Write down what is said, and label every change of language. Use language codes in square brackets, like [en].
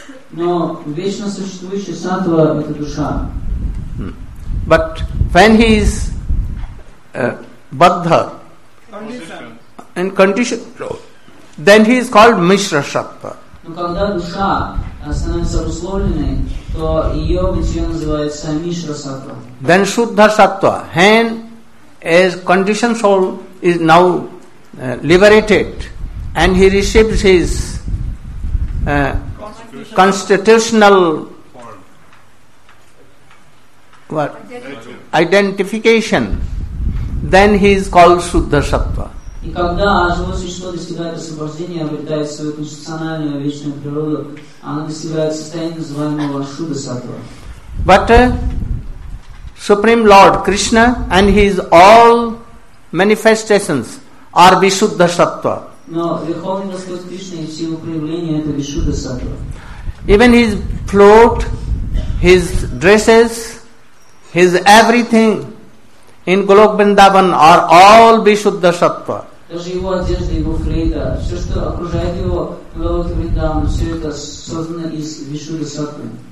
[ru] Но вечно существующая сатва – это душа. [en] But when he is baddha, in condition, then he is called mishra sattva. [ru] Но когда душа становится обусловленной, то ее бытие называется мишра сатва. [en] Then shuddha sattva, and as conditioned soul is now liberated, and he receives his constitutional identification, then he is called Shuddha Sattva. [ru] И когда живое существо достигает освобождения, обретает свою конституциональную вечную природу, оно достигает состояния, называемого Shuddha Sattva. [en] But Supreme Lord Krishna and his all manifestations are Vishuddha Sattva. [ru] Но Верховный Господь Кришна и все его проявления – это Vishuddha Sattva. [en] Even his float, his dresses, his everything in Golok Vrindavan are all Vishuddha Sattva. [ru] Даже его одежда, его флейта, все, что окружает его Golok Vrindavan, все это создано из Vishuddha Sattva.